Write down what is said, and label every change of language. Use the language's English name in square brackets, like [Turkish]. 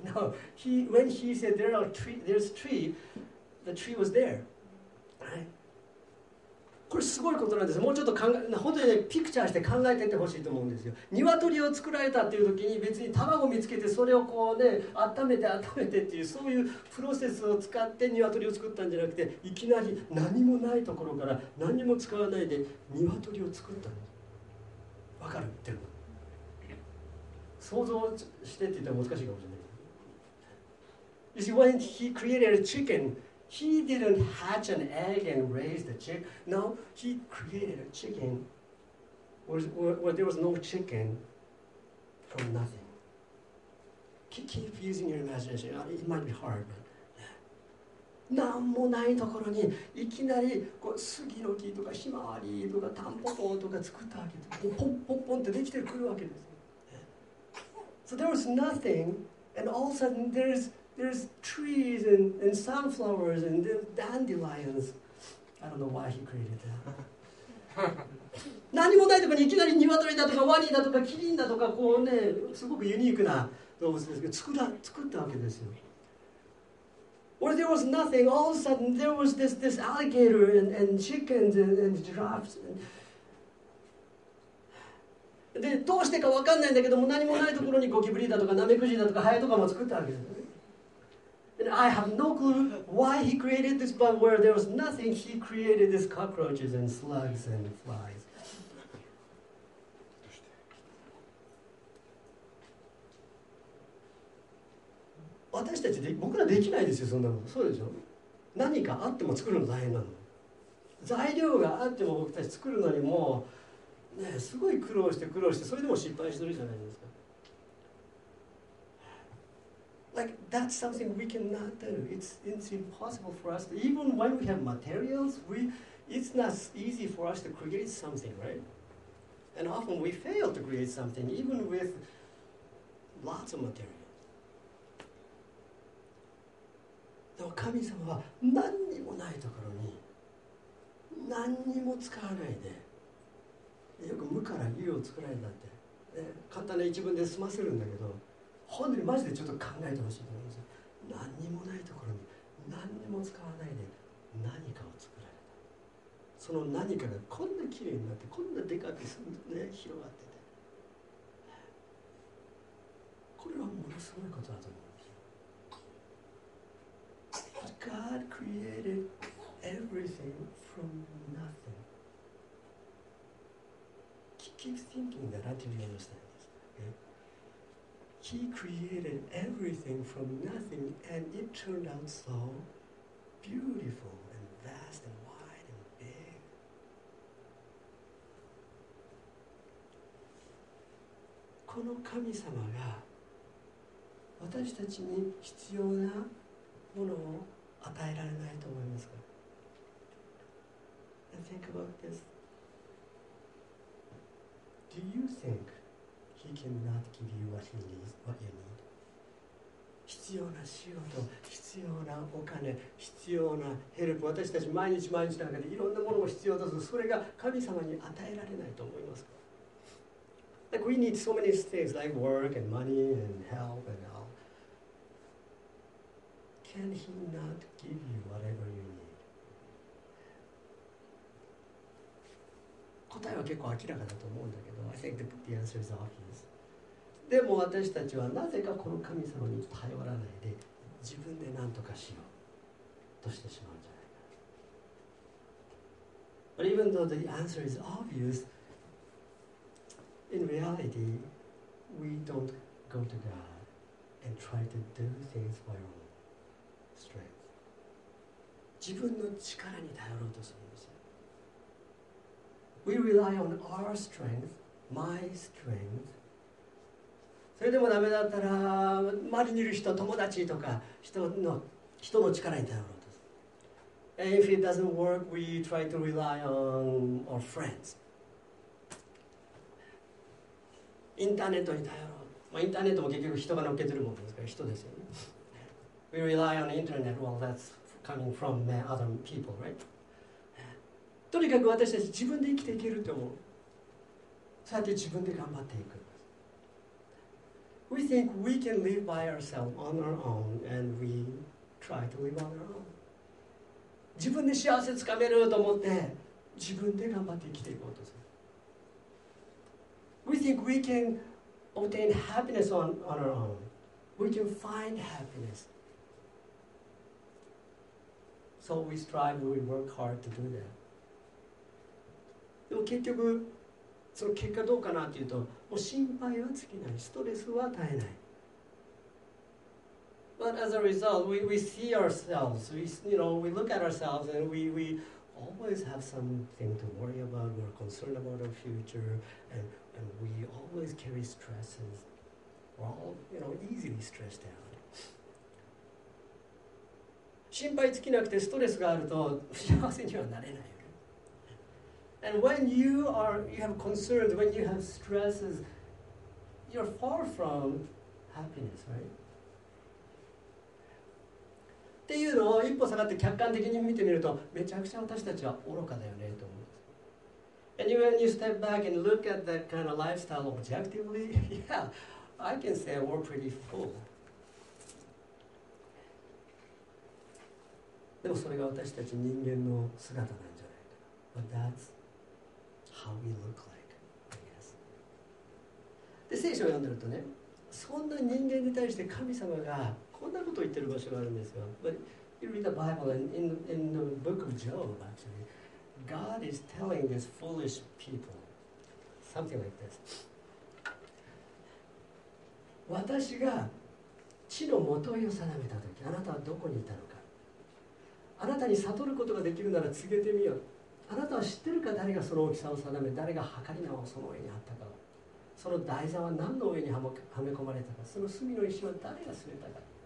[English] No, he, when he said there are tree, there's tree, the tree was there. Right? [Japanese] これすごいことなんです。もうちょっと考え、本当にね、ピクチャーして考えていってほしいと思うんですよ。鶏を作られたっていう時に別に卵を見つけてそれをこうね、温めてっていうそういうプロセスを使って鶏を作ったんじゃなくて、いきなり何もないところから何も使わないで鶏を作ったんです。わかる？言ってるの。想像してって言ったら難しいかもしれない。 [English] You see, when he created a chicken, he didn't hatch an egg and raise the chick. No, he created a chicken where there was no chicken from nothing. Keep using your imagination. It might be hard, but... [Japanese] 何もないところにいきなりこう杉の木とかひまわりとかタンポポとか作ったわけです。ポンポンポンってできてくるわけです。 [English] So there was nothing, and all of a sudden there's trees and sunflowers and dandelions. I don't know why he created that. [Japanese] 何もないとこにいきなり鶏だとかワニだとかキリンだとかこうねすごくユニークな動物ですけど作ったわけですよ。 [English] Or there was nothing. All of a sudden there was this alligator and chickens and giraffes. And, [Japanese] でどうしてか分かんないんだけども何もないところにゴキブリだとかナメクジだとかハエとかも作ったわけですね。 [English] And I have no clue why he created this, but where there was nothing, he created these cockroaches and slugs and flies. [Japanese] どうして？私たちで僕らできないですよそんなの。そうでしょ？何かあっても作るの大変なの。材料があっても僕たち作るのにもね、すごい苦労してそれでも失敗してるじゃないですか。 [English] Like that's something we cannot do. It's impossible for us to, even when we have materials, it's not easy for us to create something, right? And often we fail to create something even with lots of materials. [Japanese] でも神様は何にもないところに何にも使わないでよく無から有を作られたって、ね、簡単な一文で済ませるんだけど本当にマジでちょっと考えてほしいと思うんですよ。何にもないところに何にも使わないで何かを作られた。その何かがこんな綺麗になってこんなでかくすんの、ね、広がっててこれはものすごいことだと思うんですよ。 [English] God created everything from nothingKeep thinking that until you understand this.、Okay? He created everything from nothing and it turned out so beautiful and vast and wide and big. [Japanese] この神様が私たちに必要なものを与えられないと思いますか。 [English] I think about this. Do you think he cannot give you what he needs, what you need? [Japanese] 必要な仕事、必要なお金、必要なヘルプ、私たち毎日毎日なんかでいろんなものを必要だぞ。それが神様に与えられないと思いますか。 [English] Like we need so many things, like work and money and help and all. Can he not give you whatever you need? [Japanese] 答えは結構明らかだと思うんだけど、 [English] I think the answer is obvious. [Japanese] でも私たちはなぜかこの神様に頼らないで自分で何とかしようとしてしまうんじゃないか。 [English] But even though the answer is obvious,In reality, we don't go to God and try to do things by our own strength. [Japanese] 自分の力に頼ろうとするんですよ。 [English] We rely on our strength, my strength. [Japanese] それでもダメだったら、周りにいる人、友達とか、人の力に頼ろうとする。 [English] And if it doesn't work, we try to rely on our friends. [Japanese] インターネットに頼ろう、まあ、インターネットも結局人が乗っけてるものですから人ですよね。 [English] We rely on the internet. Well, that's coming from other people, right? [Japanese] とにかく私たち自分で生きていけると思う。そうやって自分で頑張っていく。 [English] We think we can live by ourselves on our own and we try to live on our own. [Japanese] 自分で幸せつかめると思って自分で頑張って生きていこうとする。 [English] We think we can obtain happiness on our own. We can find happiness. So we strive, we work hard to do that. [Japanese] でも結局その結果どうかなっていうと、もう心配は尽きない、ストレスは絶えない。 [English] But as a result, we see ourselves. We, you know, we look at ourselves and we always have something to worry about. We're concerned about our future and we always carry stresses. We're all, you know, easily stressed out. [Japanese] 心配尽きなくてストレスがあると幸せにはなれない。 [English] And when you have concerns, when you have stresses, you're far from happiness, right? [Japanese] っていうのを一歩下がって客観的に見てみると、めちゃくちゃ私たちは愚かだよねと思う。 [English] And when you step back and look at that kind of lifestyle objectively, yeah, I can say we're pretty full. [Japanese] でもそれが私たち人間の姿なんじゃないか。 [English] But that's how we look like, I guess. [Japanese] で、聖書を読んでるとね、そんな人間に対して神様がこんなことを言ってる場所があるんですよ。 [English] But you read the Bible and in the book of Job, actually,God is telling these foolish people something like this. [Japanese] 私が地のもといを定めたとき、あなたはどこにいたのか。あなたに悟ることができるなら告げてみよう。あなたは知ってるか、誰がその大きさを定め、誰が計り縄をその上に張ったかを。その台座は何の上にはめ込まれたか。その隅の石は誰が据えたか。